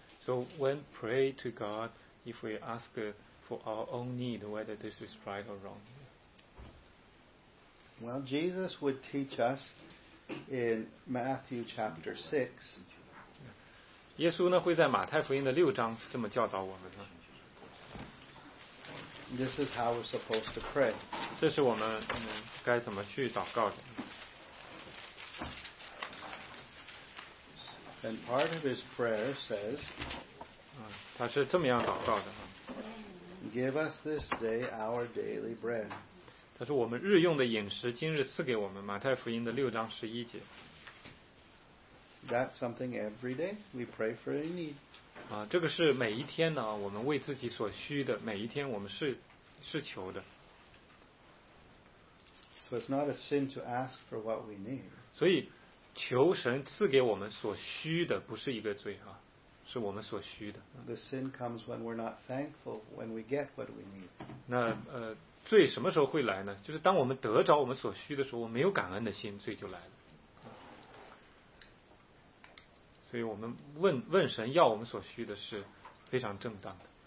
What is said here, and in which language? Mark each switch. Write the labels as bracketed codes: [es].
[en] So when pray to God, if we ask for our own need, whether this is right or wrong. Well, Jesus would teach us in Matthew chapter 6. [zh] 耶稣呢会在马太福音的六章这么教导我们呢。 [en] This is how we're supposed to pray. [zh] 这是我们该怎么去祷告的。 [en] And part of his prayer says, [zh] 他他是这么样祷告的啊。 [en] Give us this day our daily bread. [zh] 他说我们日用的饮食今日赐给我们，马太福音的六章十一节。 [en] That's something every day we pray for a need. [zh] 啊，这个是每一天呢，我们为自己所需的，每一天我们是求的。 [en] So it's not a sin to ask for what we need. [zh] 所以求神赐给我们所需的不是一个罪啊，是我们所需的。 [en] The sin comes when we're not thankful when we get what we need. [zh] 那罪什么时候会来呢？就是当我们得着我们所需的时候，我没有感恩的心，罪就来了。所以我们问神要我们所需的是非常正当的。